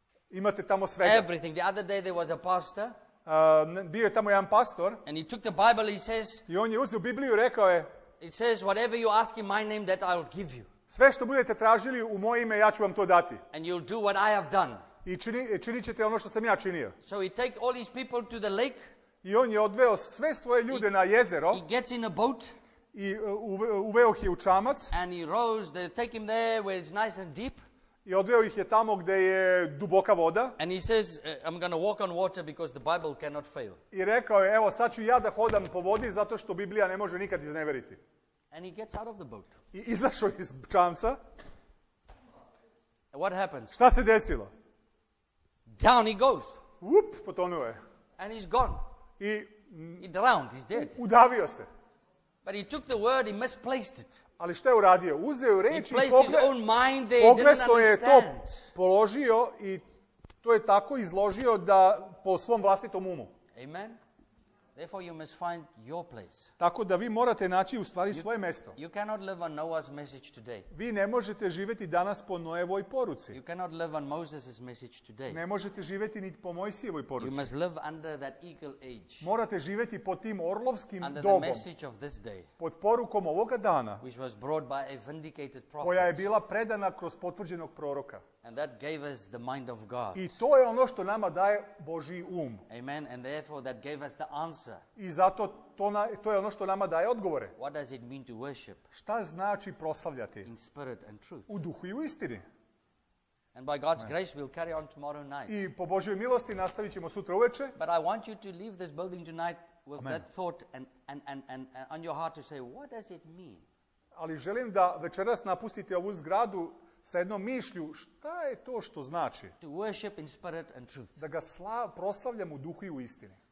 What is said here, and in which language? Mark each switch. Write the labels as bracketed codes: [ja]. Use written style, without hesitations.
[sr] Imate tamo svega. [en] Everything. The other day there was a pastor. [sr] Bio je tamo jedan pastor. [en] And he took the Bible, he says. [sr] I on je uzeo Bibliju, rekao je. [en] It says whatever you ask in my name that I will give you. [sr] Sve što budete tražili u moje ime, ja ću vam to dati. [en] And you'll do what I have done. [sr] I činit ćete ono što sam ja činio. [en] So he take all these people to the lake. [sr] I on je odveo sve svoje ljude na jezero. [en] He gets in a boat. [sr] I uveo ih je u čamac. [en] And he rows, they take him there where it's nice and deep. [sr] I odveo ih je tamo gdje je duboka voda. [en] And he says, I'm going to walk on water because the Bible cannot fail. [sr] I rekao je, evo sad ću ja da hodam po vodi zato što Biblija ne može nikad izneveriti. [en] And he gets out of the boat. [sr] I izašao iz čamca. [en] What happens? [sr] Šta se desilo? [en] Down he goes. [sr] Whoop, potonuo je. [en] And he's gone. He drowned, he's dead. [sr] Udavio se. [en] But he took the word, he misplaced it. [sr] Ali šta je uradio? Uzeo riječ i pogrešno je to položio i to je tako izložio da po svom vlastitom umu. [en] Amen. Therefore you must find your place. [sr] Tako da vi morate naći u stvari svoje mjesto. [en] You cannot live on Noah's message today. [sr] Vi ne možete živjeti danas po Noevoj poruci. [en] You cannot live on Moses's message today. [sr] Ne možete živjeti niti po Mojsijevoj poruci. [en] You must live under that eagle age. [sr] Morate živjeti pod tim orlovskim [en] under [sr] dobom. [en] The message of this day. [sr] Pod porukom ovoga dana. [en] Which was brought by a vindicated prophet. [sr] Koja je bila predana kroz potvrđenog proroka. [en] And that gave us the mind of God. [sr] I to je ono što nama daje Božji um. [en] Amen. And therefore that gave us the answer. [sr] I zato to je ono što nama daje odgovore. [en] What does it mean to worship? [sr] Šta znači proslavljati? [en] In spirit and truth. [sr] U duhu i u istini. [en] And by God's grace we'll carry on tomorrow night. [sr] I po Božjoj milosti nastavit ćemo sutra uveče. [en] But I want you to leave this building tonight with that thought and on your heart to say what does it mean? [sr] Ali želim da večeras napustite ovu zgradu sa jednom mišlju, šta je to što znači? [en] To worship in spirit and truth. [sr] Da ga proslavljam u duhu i u istini.